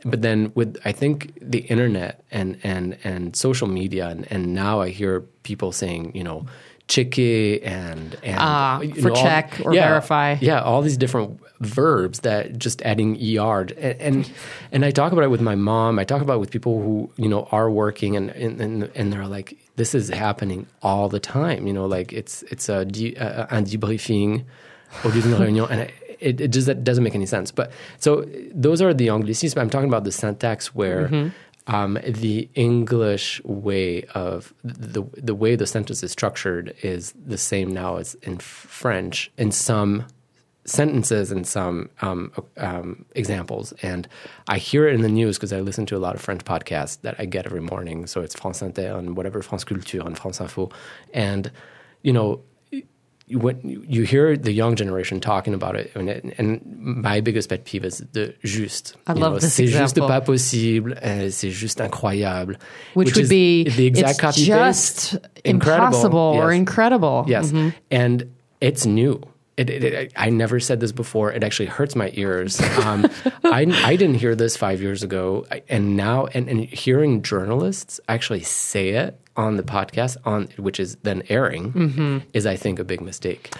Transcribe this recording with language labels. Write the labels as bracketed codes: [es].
[en] But then with, I think, the internet and social media, and now I hear people saying, you know, checke and you for know, check all, or yeah, verify. Yeah, all these different verbs that just adding ER. And I talk about it with my mom. I talk about it with people who, you know, are working and they're like, this is happening all the time. You know, like it's [fr] un debriefing au lieu d'une réunion. [en] And it doesn't make any sense. But so those are the anglicisms. I'm talking about the syntax where the English way of the way the sentence is structured is the same now as in French in some sentences and some examples. And I hear it in the news because I listen to a lot of French podcasts that I get every morning. So it's France Inter and whatever, France Culture and France Info. And, you know, when you hear the young generation talking about it, and my biggest pet peeve is the juste. I love this [fr] c'est [en] example. [fr] C'est juste pas possible, c'est juste incroyable. [en] Which would be, the exact it's just incredible. Impossible yes. or incredible. Yes, mm-hmm. And it's new. I never said this before. It actually hurts my ears. I didn't hear this 5 years ago, and now, and hearing journalists actually say it on the podcast, on which is then airing, is, I think, a big mistake.